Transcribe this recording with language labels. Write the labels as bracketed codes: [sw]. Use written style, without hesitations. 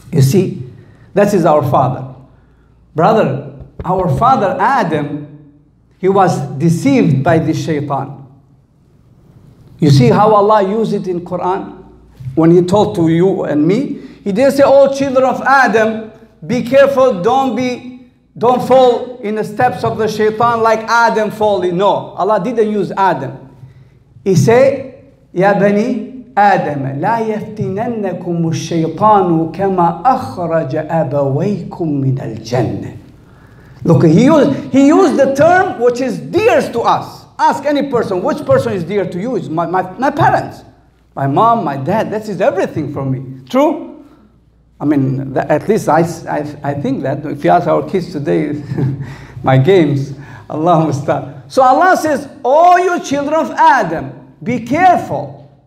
[en] You see, that is our father. Brother, our father Adam, he was deceived by the shaitan. You see how Allah used it in Quran? When He told to you and me, He didn't say, all children of Adam, be careful, don't fall in the steps of the shaitan like Adam falling. No, Allah didn't use Adam. [ar] He say, يَا بَنِي آدَمَ لَا يَفْتِنَنَّكُمُ الشَّيْطَانُ كَمَا أَخْرَجَ أَبَوَيْكُمْ مِنَ الْجَنَّةِ. [en] Look, he used the term which is dear to us. Ask any person, which person is dear to you? It's my parents, my mom, my dad. That is everything for me. True? I mean, at least I think that. If you ask our kids today, my games, [ar] Allahumma astaghfirullah. [en] So Allah says, all you children of Adam, be careful.